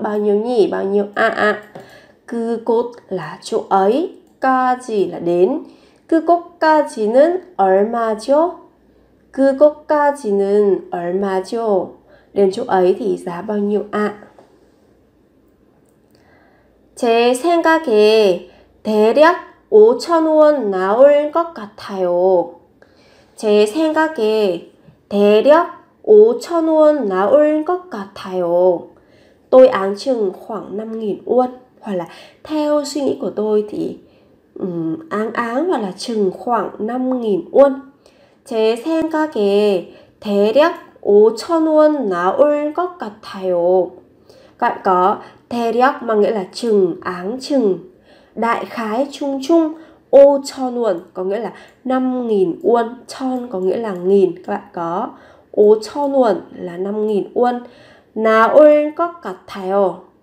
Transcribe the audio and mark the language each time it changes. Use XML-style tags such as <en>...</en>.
<vi>Bao nhiêu nhỉ, bao nhiêu ạ ạ. 그곳 là chỗ ấy, 까지 là đến.</vi> <ko>그곳까지는 얼마죠? 그곳까지는 얼마죠?</ko> <vi>Đến chỗ ấy thì giá bao nhiêu ạ?</vi> <ko>제 생각에 대략 5,000원 나올 것 같아요. 제 생각에 대략 5,000원 나올 것 같아요.</ko> <vi>Tôi án chừng khoảng 5.000 won. Hoặc là theo suy nghĩ của tôi thì áng áng hoặc là chừng khoảng 5.000 won.</vi> <ko>제 생각에 대략 5,000원 나올 것 같아요. 그러니까 대략만</ko> <vi>nghĩa là chừng, áng chừng, đại khái, chung chung, 5,000원 có nghĩa là 5.000 won, 천 có nghĩa là nghìn, các bạn có 5,000원 là 5.000 won,</vi> <ko>나올 것 같아요.</ko>